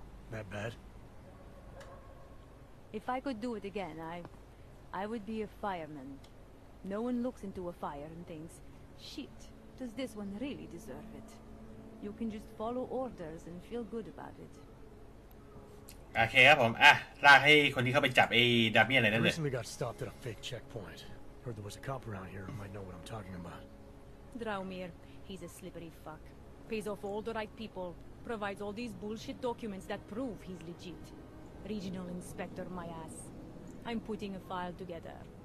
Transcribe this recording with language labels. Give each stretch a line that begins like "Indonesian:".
English: That bad? If I could do it again, I would be a fireman. No one looks into a fire and thinks, shit, does this one really deserve it? You can just follow orders and feel good about it.
Thai: โอเคครับผมอ่ะลากให้คนที่เข้าไปจับไอ้ดาเมียนอะไรนั่นเลย
English: Recently got stopped at a fake checkpoint. Heard there was a cop around here who might know what I'm talking about. Draumir, he's a slippery fuck. Pays off all the right people, provides all these bullshit documents that prove he's legit. Regional inspector, my ass. I'm putting a file together.